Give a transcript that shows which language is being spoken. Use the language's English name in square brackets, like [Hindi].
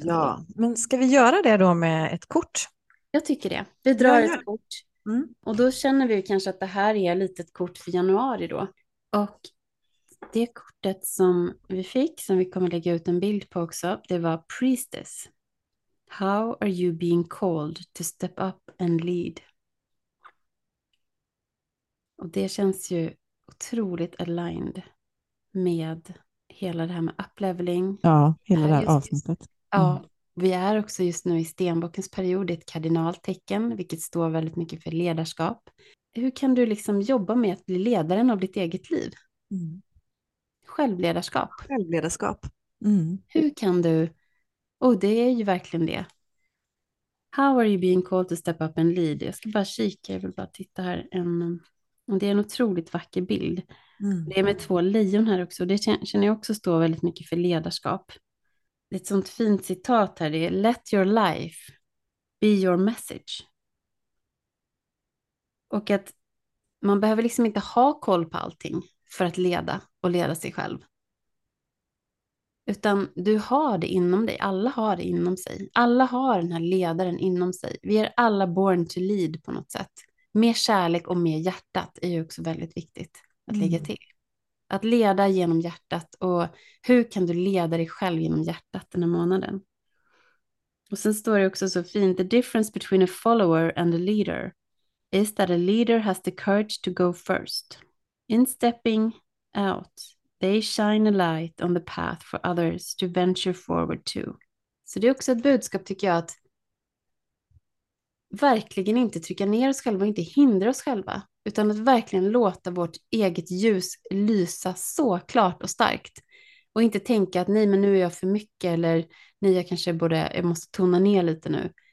[Swedish] Ja, men ska vi göra det då med ett kort? Jag tycker det. Vi drar ett kort. Mm. Och då känner vi kanske att det här är ett litet kort för januari då. Och det kortet som vi fick, som vi kommer lägga ut en bild på också, det var Priestess. [English] How are you being called to step up and lead? [Swedish] Och det känns ju otroligt aligned med hela det här med upleveling. Ja, hela det här avsnittet. Ja, vi är också just nu i stenbockens period, ett kardinaltecken, vilket står väldigt mycket för ledarskap. Hur kan du liksom jobba med att bli ledaren av ditt eget liv? Mm. Självledarskap. Självledarskap. Mm. Hur kan du? Och det är ju verkligen det. [English] How are you being called to step up and lead? [Swedish] Jag ska bara kika, jag vill bara titta här. Och det är en otroligt vacker bild. Mm. Det är med två lejon här också. Det känner jag också står väldigt mycket för ledarskap. Det är ett sånt fint citat här. Det är let your life be your message. Och att man behöver liksom inte ha koll på allting för att leda och leda sig själv. Utan du har det inom dig. Alla har det inom sig. Alla har den här ledaren inom sig. Vi är alla born to lead på något sätt. Mer kärlek och mer hjärtat är ju också väldigt viktigt att lägga till. Att leda genom hjärtat. Och hur kan du leda dig själv genom hjärtat den här månaden? Och sen står det också så fint. [English] The difference between a follower and a leader. Is that a leader has the courage to go first. In stepping out, They shine a light on the path for others to venture forward to. [Swedish] Så det är också ett budskap, tycker jag, att verkligen inte trycka ner oss själva och inte hindra oss själva, utan att verkligen låta vårt eget ljus lysa så klart och starkt. Och inte tänka att nej, men nu är jag för mycket, eller nej, jag kanske borde, jag måste tona ner lite nu.